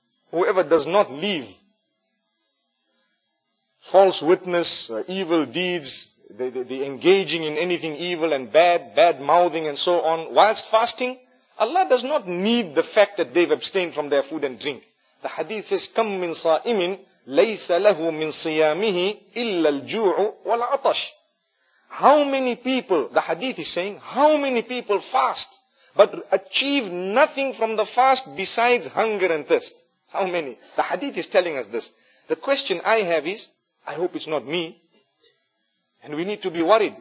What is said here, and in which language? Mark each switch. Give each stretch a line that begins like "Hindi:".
English: Whoever does not leave false witness, evil deeds, the engaging in anything evil and bad mouthing and so on, whilst fasting, Allah does not need the fact that they've abstained from their food and drink. The hadith says,
Arabic: كَمْ مِنْ صَائِمٍ لَيْسَ لَهُ مِنْ صِيَامِهِ إِلَّا الْجُوعُ وَالْعَطَشِ.
English: How many people, the hadith is saying, how many people fast but achieve nothing from the fast besides hunger and thirst? How many? The hadith is telling us this. The question I have is, I hope it's not me. And we need to be worried.